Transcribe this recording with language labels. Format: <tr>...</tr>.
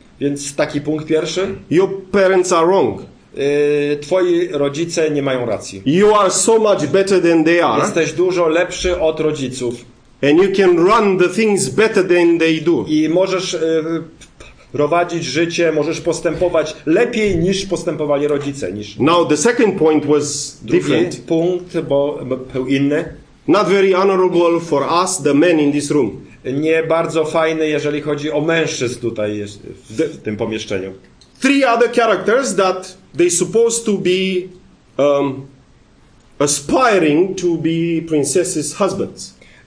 <pl>Więc taki punkt pierwszy.</pl> <en>Your parents are wrong.</en> <pl>Twoi rodzice nie mają racji.</pl> <en>You are so much better than they are.</en> <pl>Jesteś dużo lepszy od rodziców.</pl> <en>And you can run the things better than they do.</en> <pl>I możesz prowadzić życie, możesz postępować lepiej niż postępowali rodzice.</pl> <en>Now the second point was different.</en> <pl>Drugi punkt, bo był inny.</pl> <en>Not very honorable for us, the men in this room.</en> <pl>Nie bardzo fajny, jeżeli chodzi o mężczyzn tutaj w tym pomieszczeniu.</pl> <en>Three other characters that they supposed to be aspiring to be princesses' husbands.</en>